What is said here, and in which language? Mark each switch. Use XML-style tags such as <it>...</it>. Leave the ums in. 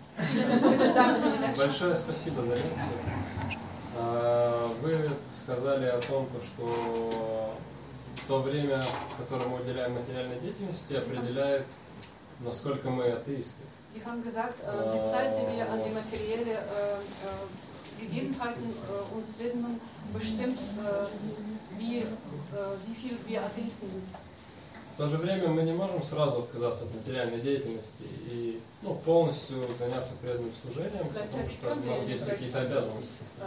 <ru>Большое спасибо за лекцию. Вы сказали о том, что то время, которое мы уделяем материальной деятельности, определяет, насколько мы атеисты.</ru> <de>Sie haben gesagt, die Zeit, die wir an die materielle Gegebenheiten uns widmen, bestimmt, wie viel wir Atheisten sind.</de> <ru>В то же время мы не можем сразу отказаться от материальной деятельности и ну, полностью заняться преданным служением, потому что у нас есть какие-то обязанности.</ru>